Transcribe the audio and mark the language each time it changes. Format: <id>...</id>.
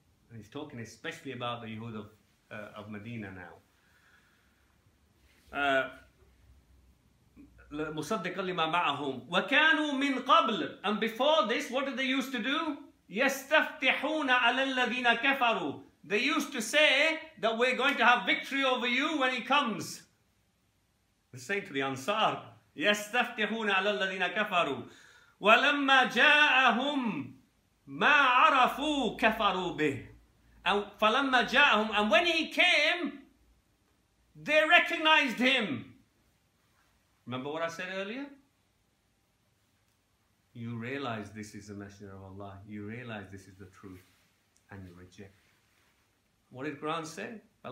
<en>And he's talking especially about the Yahud of Medina now.</en> <ar>Musaddiqan lima ma'ahum. Wa kanu min qabl.</ar> <en>And before this, what did they used to do?</en> <ar>Yastaftihuna ala alladhina kafaru.</ar> <en>They used to say that we're going to have victory over you when he comes. They're saying to the Ansar,</en> <ar>يَسْتَفْتِحُونَ عَلَى الَّذِينَ كَفَرُوا وَلَمَّا جَاءَهُمْ مَا عَرَفُوا كَفَرُوا بِهِ. فَلَمَّا جَاءَهُمْ,</ar> <en>and when he came, they recognized him. Remember what I said earlier? you realize this is the Messenger of Allah, you realize this is the truth, and you reject. What did Quran say?</en>